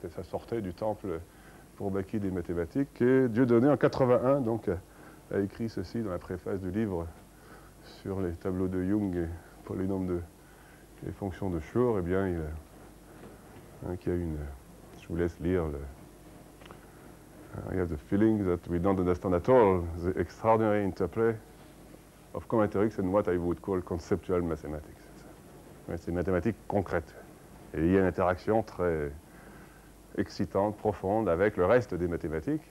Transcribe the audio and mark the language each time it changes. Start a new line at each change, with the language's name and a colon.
French: C'était ça sortait du temple pour Bacchi des mathématiques, et Dieudonné, en 81, donc, a écrit ceci dans la préface du livre sur les tableaux de Young et polynômes de les fonctions de Schur, eh bien, il y a, hein, qu'il y a une... Je vous laisse lire le...
English: I have the feeling that we don't understand at all the extraordinary interplay of combinatorics and what I would call conceptual mathematics.
French: Mais c'est une mathématique concrète. Et il y a une interaction très excitante, profonde, avec le reste des mathématiques.